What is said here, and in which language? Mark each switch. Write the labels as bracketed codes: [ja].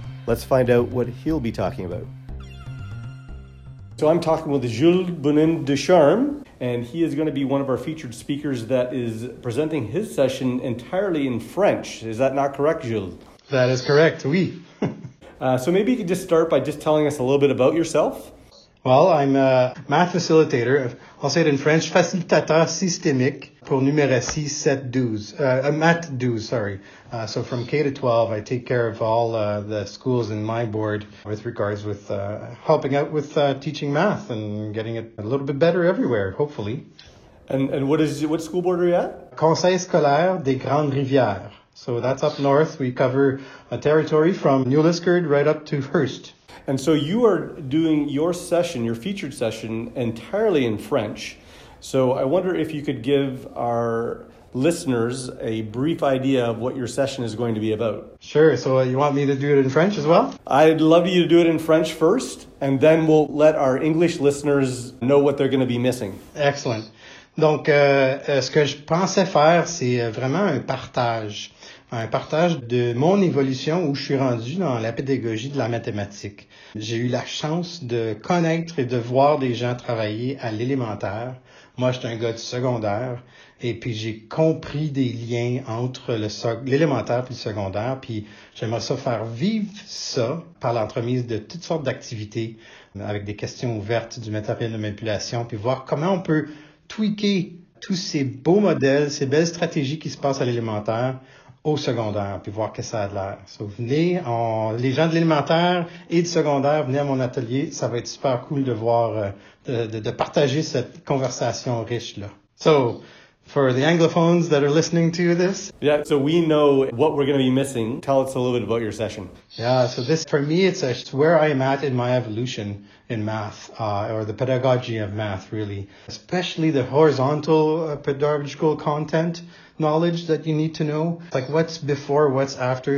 [en] Let's find out what he'll be talking about. So I'm talking with Jules Bonin-Ducharme, And he is going to be one of our featured speakers that is presenting his session entirely in French. Is that not correct, Jules? That is correct, oui. So maybe you could just start by just telling us a little bit about yourself. Well, I'm a math facilitator. I'll say it in French, [fr] facilitateur systémique pour numératie 7-12. [en] So from K to 12, I take care of all the schools in my board with regards with helping out with teaching math and getting it a little bit better everywhere, hopefully. And what school board are you at? Conseil scolaire des Grandes Rivières. So that's up north. We cover a territory from New Liskeard right up to Hearst. And so you are doing your session, your featured session, entirely in French. So I wonder if you could give our listeners a brief idea of what your session is going to be about. Sure. So you want me to do it in French as well? I'd love you to do it in French first, and then we'll let our English listeners know what they're going to be missing. Excellent. [fr] Donc, ce que je pensais faire, c'est vraiment un partage. Un partage de mon évolution où je suis rendu dans la pédagogie de la mathématique. J'ai eu la chance de connaître et de voir des gens travailler à l'élémentaire. Moi, j'étais un gars du secondaire et puis j'ai compris des liens entre l'élémentaire puis le secondaire. Puis j'aimerais ça faire vivre ça par l'entremise de toutes sortes d'activités avec des questions ouvertes du matériel de manipulation puis voir comment on peut tweaker tous ces beaux modèles, ces belles stratégies qui se passent à l'élémentaire au secondaire, puis voir que ça a de l'air. So, venez, les gens de l'élémentaire et du secondaire, venez à mon atelier. Ça va être super cool de voir, de partager cette conversation riche-là. [en] So, for the Anglophones that are listening to this. Yeah, so we know what we're going to be missing. Tell us a little bit about your session. Yeah, so this, for me, it's where I am at in my evolution in math, or the pedagogy of math, really. Especially the horizontal pedagogical content knowledge that you need to know, like what's before, what's after.